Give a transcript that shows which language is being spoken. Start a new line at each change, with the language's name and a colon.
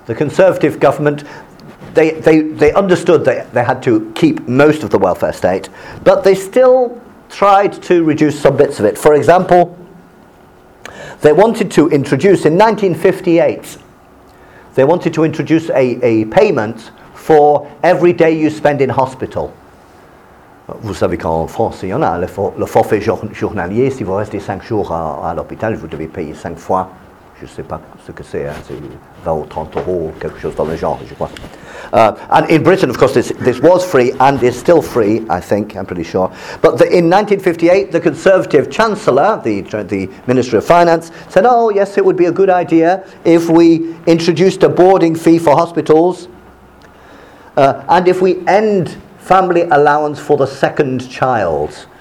English: The Conservative government, they understood that they had to keep most of the welfare state, but they still tried to reduce some bits of it. For example, they wanted to introduce, in 1958, they wanted to introduce a payment for every day you spend in hospital.
French: Vous savez qu'en France, il y en a le forfait journalier. Si vous restez 5 jours à l'hôpital, vous devez payer 5 fois. Je ne sais pas ce que c'est, hein, c'est 20 ou 30 euros, quelque chose dans le genre, je crois.
English: And in Britain, of course, this was free and is still free, I think, I'm pretty sure. But in 1958, the Conservative Chancellor, the Ministry of Finance, said, oh, yes, it would be a good idea if we introduced a boarding fee for hospitals and if we end family allowance for the second child.